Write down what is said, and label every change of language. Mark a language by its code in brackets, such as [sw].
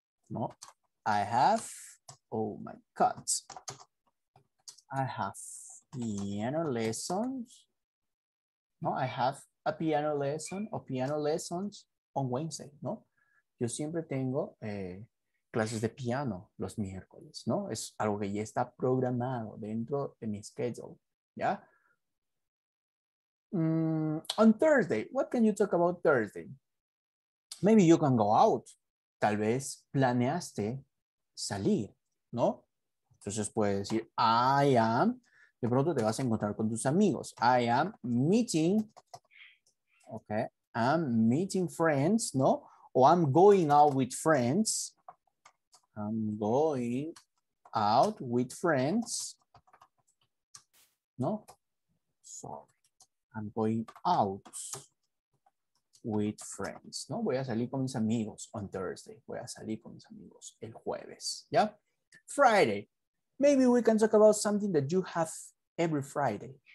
[en] ¿No? I have. Oh, my God. I have piano lessons. ¿No? I have a piano lesson or piano lessons. On Wednesday, ¿no? [es] Yo siempre tengo clases de piano los miércoles, ¿no? Es algo que ya está programado dentro de mi schedule, ¿ya? [en] On Thursday, what can you talk about Thursday? Maybe you can go out. [es] Tal vez planeaste salir, [en] ¿no? [es] Entonces puedes decir, [en] I am, [es] de pronto te vas a encontrar con tus amigos. [en] I am meeting, ¿ok? I'm meeting friends, ¿no? O I'm going out with friends. I'm going out with friends. ¿No? Sorry. I'm going out with friends. ¿No? [es] Voy a salir con mis amigos [en] on Thursday. [es] Voy a salir con mis amigos el jueves. [en] ¿Ya? Friday. Maybe we can talk about something that you have every Friday.